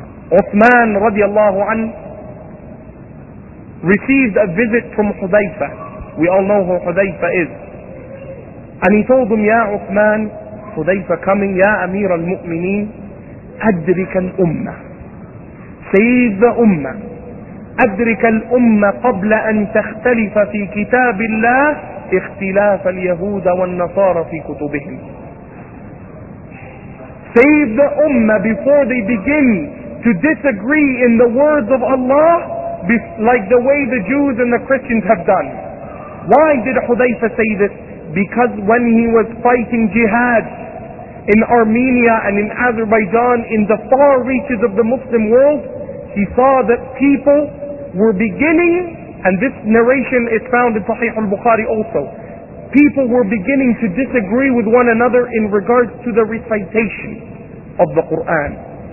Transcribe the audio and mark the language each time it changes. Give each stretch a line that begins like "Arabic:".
English: Uthman radiallahu anhu received a visit from Hudhayfa. We all know who Hudhayfa is. And he told him, Ya Uthman, Hudhayfa coming, Ya Amir al-Mu'mineen,
Arabic: أدرك الأمة.
English: Save the Ummah.
Arabic: أدرك الأمة قبل أن تختلف في كتاب الله اختلاف اليهود والنصارى في كتبهم.
English: Save the Ummah before they begin to disagree in the words of Allah like the way the Jews and the Christians have done. Why did Hudhayfa say this? Because when he was fighting jihad in Armenia and in Azerbaijan, in the far reaches of the Muslim world, he saw that people were beginning, and this narration is found in Sahih al-Bukhari also, people were beginning to disagree with one another in regards to the recitation of the Qur'an.